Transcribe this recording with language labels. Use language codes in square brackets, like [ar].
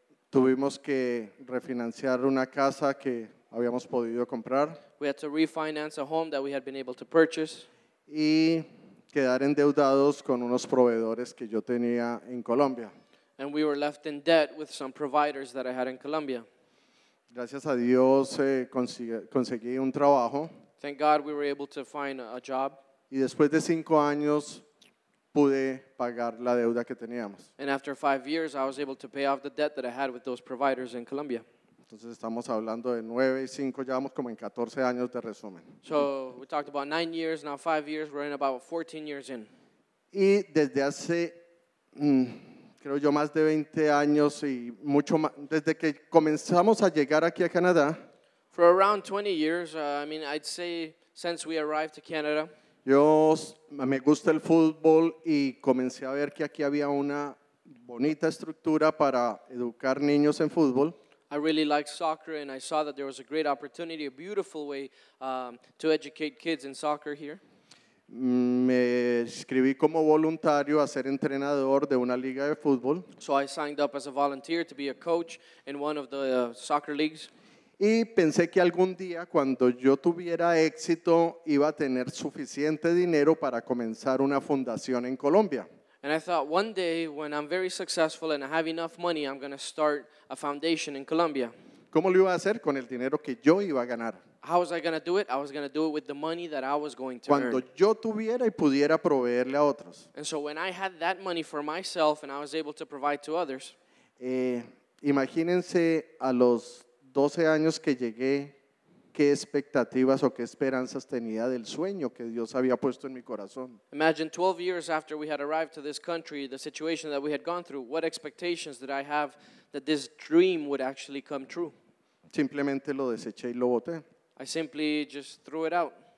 [es] Tuvimos que refinanciar una casa que habíamos podido comprar. [en] We had to refinance a home that we had been able to purchase. [es] Y quedar endeudados con unos proveedores que yo tenía en Colombia. [en] And we were left in debt with some providers that I had in Colombia. [es] Gracias a Dios conseguí un trabajo. [en] Thank God we were able to find a job. [es] Y después de 5 años pude pagar la deuda que teníamos. [en] And after 5 years I was able to pay off the debt that I had with those providers in Colombia. [es] Entonces estamos hablando de 9 y 5, ya vamos como en 14 años de resumen. [en] So we talked about 9 years, now 5 years, we're in about 14 years in. [es] Y desde hace creo yo más de 20 años y mucho más, desde que comenzamos a llegar aquí a Canadá. [en] For around 20 years, I mean, I'd say since we arrived to Canada. [es] Yo me gusta el fútbol y comencé a ver que aquí había una bonita estructura para educar niños en fútbol. [en] I really liked soccer and I saw that there was a great opportunity, a beautiful way to educate kids in soccer here. [es] Me inscribí como voluntario a ser entrenador de una liga de fútbol. [en] So I signed up as a volunteer to be a coach in one of the soccer leagues. [es] Y pensé que algún día cuando yo tuviera éxito iba a tener suficiente dinero para comenzar una fundación en Colombia. [en] And I thought one day when I'm very successful and I have enough money I'm going to start a foundation in Colombia. [es] ¿Cómo lo iba a hacer con el dinero que yo iba a ganar? [en] How was I going to do it? I was going to do it with the money that I was going to earn. [es] Cuando yo tuviera y pudiera proveerle a otros. [en] And so when I had that money for myself and I was able to provide to others. [es] Imagínense a los 12 años que llegué, qué expectativas o qué esperanzas tenía del sueño que Dios había puesto en mi corazón. [en] Imagine 12 years after we had arrived to this country, the situation that we had gone through, what expectations did I have that this dream would actually come true? [es] Simplemente lo deseché y lo boté. [en] I simply just threw it out.